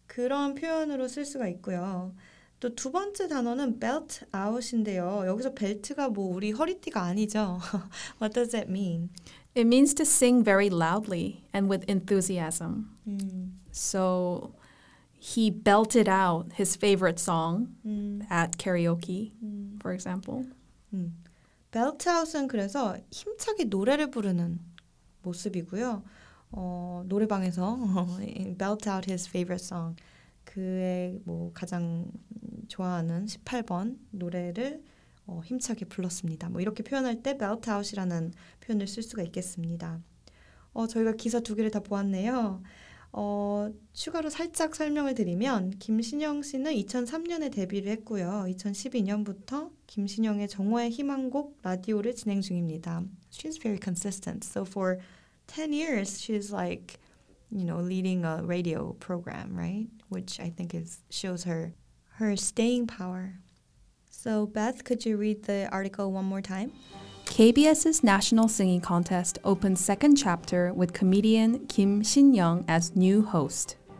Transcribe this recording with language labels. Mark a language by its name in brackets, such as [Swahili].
[Korean] 그런 표현으로 쓸 수가 있고요. 또 두 번째 단어는 belt out인데요. 여기서 벨트가 뭐 우리 허리띠가 아니죠. [English] What does that mean? It means to sing very loudly and with enthusiasm. So he belted out his favorite song at karaoke, for example. [Korean] Belt out은 그래서 힘차게 노래를 부르는 모습이고요. 노래방에서 [English] belt out his favorite song. [Korean] 그의 뭐 가장 좋아하는 18번 노래를 힘차게 불렀습니다. 뭐 이렇게 표현할 때 belt out이라는 표현을 쓸 수가 있겠습니다. 저희가 기사 두 개를 다 보았네요. 추가로 살짝 설명을 드리면 김신영 씨는 2003년에 데뷔를 했고요. 2012년부터 김신영의 정오의 희망곡 라디오를 진행 중입니다. [English] She's very consistent. So for 10 years, she's like, you know, leading a radio program, right? Which I think shows her staying power. So Beth, could you read the article one more time? KBS's National Singing Contest opens second chapter with comedian Kim Shin-young as new host.